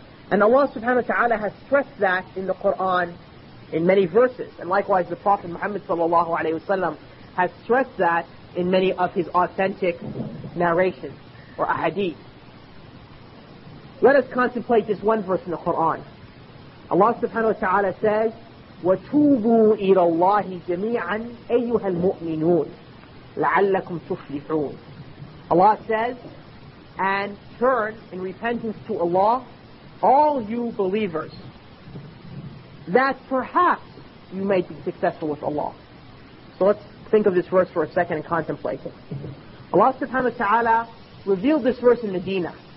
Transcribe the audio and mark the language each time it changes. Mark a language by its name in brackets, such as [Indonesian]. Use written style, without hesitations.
[English] And Allah [Arabic] subhanahu wa ta'ala [English] has stressed that in the Quran in many verses. And likewise the Prophet Muhammad [Arabic] sallallahu alayhi wa sallam [English] has stressed that in many of his authentic narrations or ahadith. Let us contemplate this one verse in the Quran. Allah subhanahu wa ta'ala says, [Arabic] وَتُوبُوا إِلَى اللَّهِ جَمِيعًا أَيُّهَا الْمُؤْمِنُونَ لَعَلَّكُمْ تُفْلِحُونَ. [English] Allah says, and turn in repentance to Allah, all you believers, that perhaps you may be successful with Allah. So let's think of this verse for a second and contemplate it. Allah [Arabic] subhanahu wa ta'ala [English] revealed this verse in Medina.